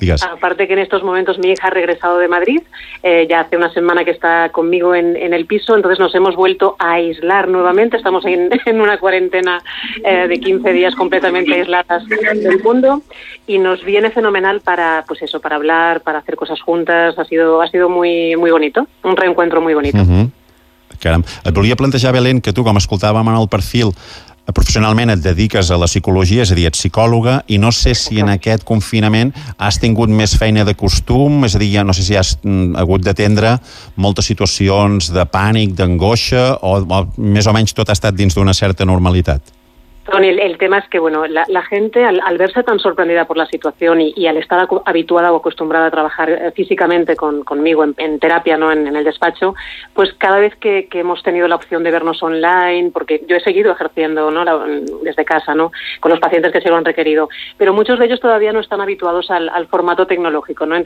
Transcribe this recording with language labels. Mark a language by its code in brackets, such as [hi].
[es] Aparte que en estos momentos mi hija ha regresado de Madrid, ya hace una semana que está conmigo en el piso, entonces nos hemos vuelto a aislar nuevamente, estamos en una cuarentena de 15 días completamente aisladas del mundo, y nos viene fenomenal para, pues eso, para hablar, para hacer cosas juntas, ha sido muy, muy bonito, un reencuentro muy bonito. Uh-huh. [ca] Caram, et volia plantejar, Belén, que tu, com escoltàvem en el perfil, professionalment et dediques a la psicologia, és a dir, ets psicòloga, i no sé si en aquest confinament has tingut més feina de costum, és a dir, ja no sé si has hagut d'atendre moltes situacions de pànic, d'angoixa, o més o menys tot ha estat dins d'una certa normalitat. [es] Toni, el tema es que, bueno, la gente al verse tan sorprendida por la situación y al estar habituada o acostumbrada a trabajar físicamente conmigo en terapia, ¿no?, en el despacho, pues cada vez que hemos tenido la opción de vernos online, porque yo he seguido ejerciendo, ¿no?, desde casa, ¿no?, con los pacientes que se lo han requerido, pero muchos de ellos todavía no están habituados al formato tecnológico, ¿no?